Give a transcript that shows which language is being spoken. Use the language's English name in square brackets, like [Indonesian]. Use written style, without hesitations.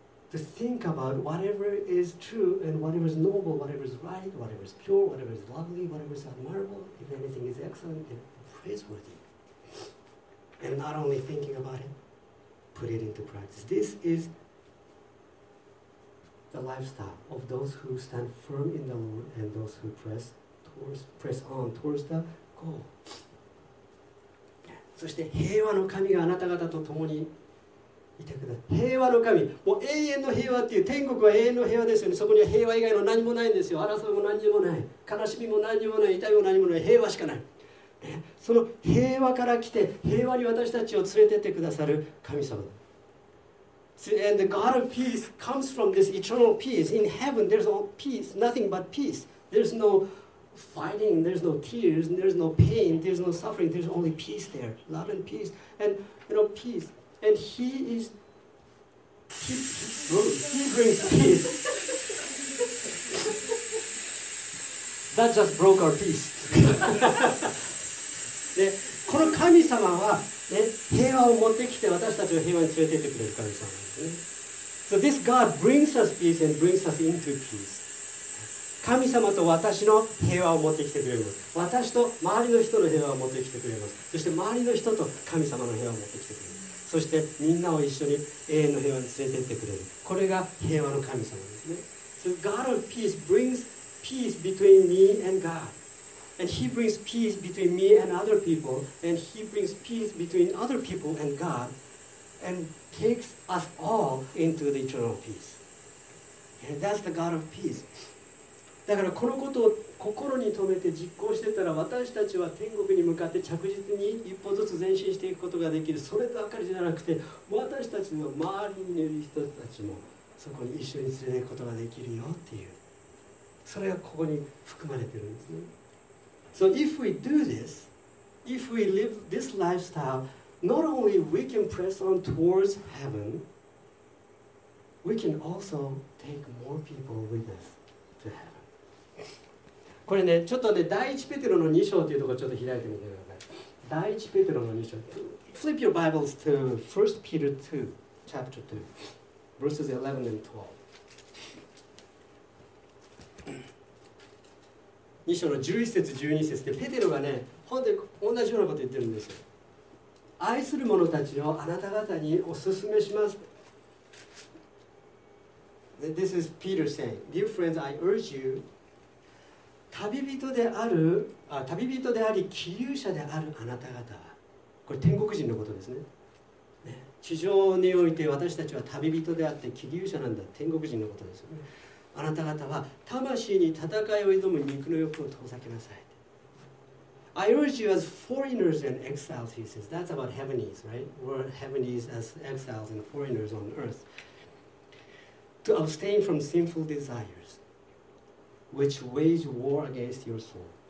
[English] To think about whatever is true and whatever is noble, whatever is right, whatever is pure, whatever is lovely, whatever is admirable, if anything is excellent and praiseworthy. And not only thinking about it, put it into practice. This isThe lifestyle of those who stand firm in the Lord and those who press on towards the goal. [Japanese] そして平和の神があなた方と共にいてください。平和の神、もう永遠の平和っていう、天国は永遠の平和ですよね。そこには平和以外の何もないんですよ。争いも何にもない、悲しみも何にもない、痛みも何もない、平和しかない、ね、その平和から来て、平和に私たちを連れてってくださる神様。 [English] And the God of peace comes from this eternal peace. In heaven, there's all peace, nothing but peace. There's no fighting, there's no tears, there's no pain, there's no suffering, there's only peace there. Love and peace. And, you know, peace. And he brings peace. That just broke our peace. [Japanese] で、この神様は、ね、平和を持ってきて私たちを平和に連れて行ってくれる神様。 [English] So this God brings us peace and brings us into peace. [Japanese] 神様と私の平和を持ってきてくれます。私と周りの人の平和を持ってきてくれます。そして周りの人と神様の平和を持ってきてくれます。そしてみんなを一緒に永遠の平和に連れて行ってくれる。これが平和の神様ですね。 [English] So God of peace brings peace between me and God. And he brings peace between me and other people. And he brings peace between other people and God. And takes us all into the eternal peace. And that's the God of peace. [Japanese] だからこのことを心に留めて実行してたら、私たちは天国に向かって着実に一歩ずつ前進していくことができる。そればかりじゃなくて、私たちの周りにいる人たちもそこに一緒に連れていくことができるよっていう。それがここに含まれてるんですね。 [English] So if we do this, if we live this lifestyle,Not only we can press on towards heaven, we can also take more people with us to heaven. [Japanese] これね、ちょっとね、第一ペテロの2章というところちょっと開いてみてください。第一ペテロの2章。 [English] Flip your Bibles to 1 Peter 2, chapter 2, verses 11 and 12. [Japanese] 2章の11節、12節で、ペテロがね、本当に同じようなこと言ってるんですよ。愛する者たちをあなた方にお勧めします。 [English] This is Peter saying, Dear friends, I urge you, [Japanese] 旅人であり、寄留者であるあなた方は、これ天国人のことですね。地上において私たちは旅人であって、寄留者なんだ、天国人のことですよね。あなた方は、魂に戦いを挑む肉の欲を遠ざけなさい。 [English] I urge you as foreigners and exiles, he says. That's about heavenies, right? We're heavenies as exiles and foreigners on earth. To abstain from sinful desires, which wage war against your soul.